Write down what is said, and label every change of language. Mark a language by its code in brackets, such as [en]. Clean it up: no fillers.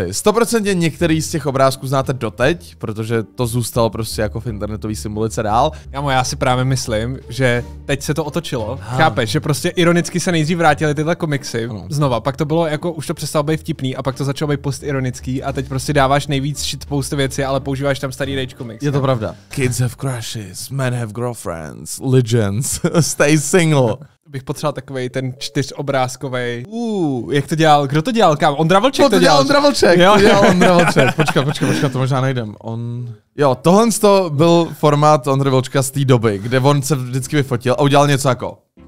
[cs] 100% některý z těch obrázků znáte doteď, protože to zůstalo prostě jako v internetové symbolice dál. Kámo, já si právě myslím, že teď se to otočilo. Aha. Chápeš, že prostě ironicky se nejdřív vrátily tyhle komiksy znova. Pak to bylo jako, už to přestalo být vtipný a pak to začalo být postironický a teď prostě dáváš nejvíc shitpost věci, ale používáš tam starý Rage Comics. Je to pravda. [en] Kids have crushes, men have girlfriends, legends, stay single. [cs] Bych potřeboval takovej ten čtyřobrázkovej. Jak to dělal? Kdo to dělal, kam? Ondra Vlček to dělal. To dělal Ondra Vlček. Počkej, to možná najdem. Jo, tohle to byl formát Ondra Vlčka z té doby, kde on se vždycky vyfotil a udělal něco jako...